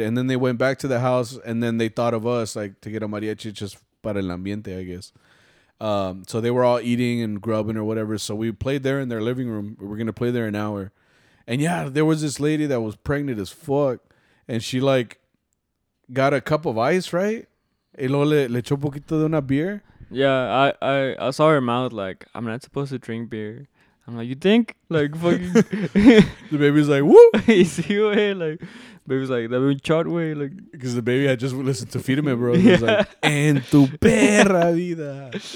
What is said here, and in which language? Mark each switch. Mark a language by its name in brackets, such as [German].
[English] And then they went back to the house, and then they thought of us, like, to get a mariachi just [Spanish] para el ambiente, [English] I guess. So, they were all eating and grubbing or whatever. So, we played there in their living room. We were going to play there an hour. And, yeah, there was this lady that was pregnant as fuck. And she, like, got a cup of ice, right? [Spanish] Y luego le echó poquito de una beer. [English] Yeah, I saw her mouth like, I'm not supposed to drink beer. I'm like, you think? Like, fucking. The baby's like, whoo! You see what hey, like, baby's like, that would chart way. Like, because the baby had just listened to Feed Me, bro. He was like, [Spanish] en tu perra vida.